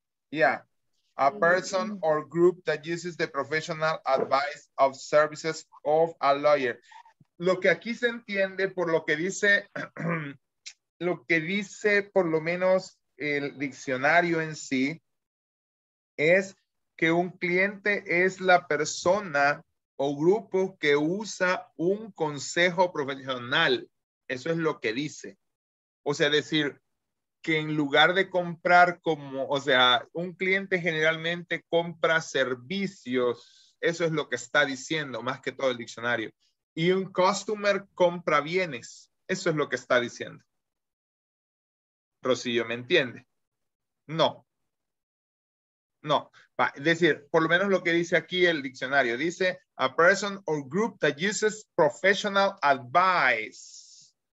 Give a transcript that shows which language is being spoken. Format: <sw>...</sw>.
<en>Yeah, a person or group that uses the professional advice of services of a lawyer.</en> <es>Lo que aquí se entiende por lo que dice... Lo que dice por lo menos el diccionario en sí es que un cliente es la persona o grupo que usa un consejo profesional. Eso es lo que dice. O sea, decir que en lugar de comprar como, o sea, un cliente generalmente compra servicios. Eso es lo que está diciendo más que todo el diccionario. Y un customer compra bienes. Eso es lo que está diciendo. Rocío, ¿me entiende? No. Es decir, por lo menos lo que dice aquí el diccionario.</es> <en>Dice, a person or group that uses professional advice.</en>